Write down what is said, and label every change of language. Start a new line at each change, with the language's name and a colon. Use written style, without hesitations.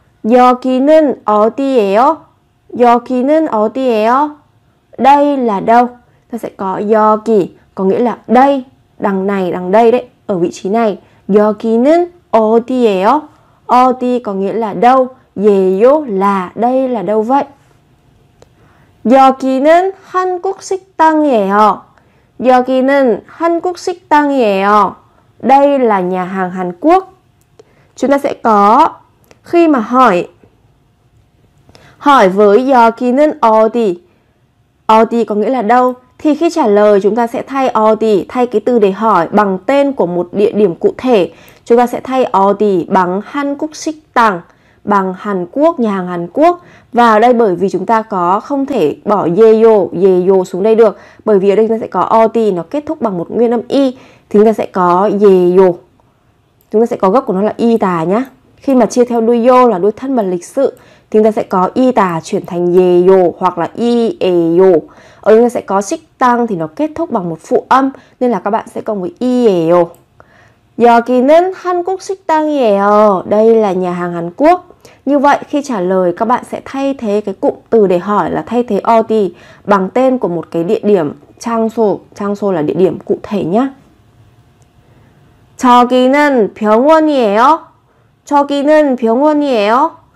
Korean: 여기는 어디예요? 여기는 어디예요?
Vietnamese: Đây là đâu? Ta sẽ có 여기 có nghĩa là đây, đằng đây đấy, ở vị trí này.
Korean: 여기는 어디예요?
Vietnamese: 어디 có nghĩa là đâu, 예요 là đây là đâu vậy?
Korean: 여기는 한국 식당이에요. 여기는 한국 식당이에요.
Vietnamese: Đây là nhà hàng Hàn Quốc. Chúng ta sẽ có khi mà hỏi với 여기는 어디. 어디 có nghĩa là đâu, thì khi trả lời chúng ta sẽ thay 어디, thay cái từ để hỏi bằng tên của một địa điểm cụ thể. Chúng ta sẽ thay 어디 bằng 한국 식당, bằng Hàn Quốc, nhà hàng Hàn Quốc. Và ở đây bởi vì chúng ta có không thể bỏ 예요 xuống đây được, bởi vì ở đây chúng ta sẽ có 어디 nó kết thúc bằng một nguyên âm y, thì chúng ta sẽ có 예요. Chúng ta sẽ có gốc của nó là y tà nhá. Khi mà chia theo đuôi 요 là đuôi thân và lịch sự, thì chúng ta sẽ có y tà chuyển thành 예요 hoặc là 이에요. Ở đây chúng ta sẽ có 식당 thì nó kết thúc bằng một phụ âm, nên là các bạn sẽ cộng với 이에요.
Korean: 여기는 한국 식당이에요.
Vietnamese: Đây là nhà hàng Hàn Quốc. Như vậy khi trả lời các bạn sẽ thay thế cái cụm từ để hỏi là thay thế 어디 bằng tên của một cái địa điểm, 장소. 장소 là địa điểm cụ thể nhá.
Korean: 저기는 병원이에요. 저기는 병원이에요.